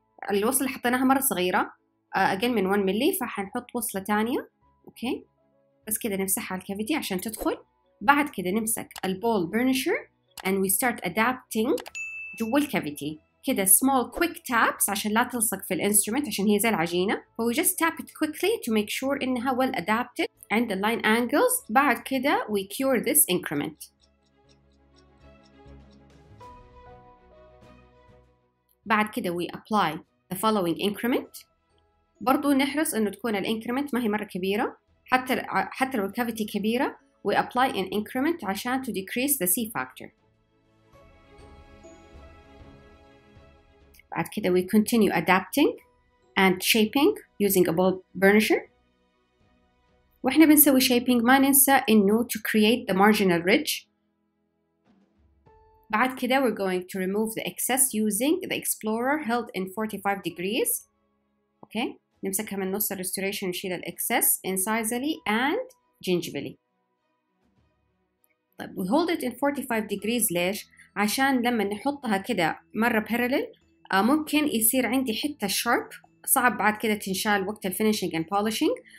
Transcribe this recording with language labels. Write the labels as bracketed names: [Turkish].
[Arabic] الوصلة اللي حطيناها مرة صغيرة أقل من 1 ملي، فحنحط وصلة تانية. [English] okay. [Arabic] بس كده نمسحها على الكافيتي عشان تدخل. بعد كده نمسك البول برنشر [English] and we start adapting [Arabic] جوا الكافيتي كده [English] small quick taps [Arabic] عشان لا تلصق في الانسترومنت عشان هي زي العجينة. [English] But we just tap it quickly to make sure [Arabic] إنها [English] well adapted and the line angles. [Arabic] بعد كده [English] we cure this increment. [Arabic] بعد كده [English] we apply the following increment. [Arabic] برضو نحرص انه تكون الانكريمنت ما هي مره كبيره، حتى لو الكافيتي كبيره [English] we apply an increment [Arabic] عشان [English] to decrease the C factor. [Arabic] بعد كده [English] we continue adapting and shaping using a ball burnisher. [Arabic] واحنا بنسوي shaping ما ننسى انه [English] to create the marginal ridge. [Arabic] بعد كده [English] we're going to remove the excess using the explorer held in 45 degrees. okay. [Arabic] نمسكها من نص الريستوريشن ونشيل الاكسس [English] incisally and gingivally. [Arabic] طيب [English] we hold it in 45 degrees [Arabic] ليش؟ عشان لما نحطها كده مرة parallel ممكن يصير عندي حتة sharp صعب بعد كده تنشال وقت الفينيشنج [English] and polishing.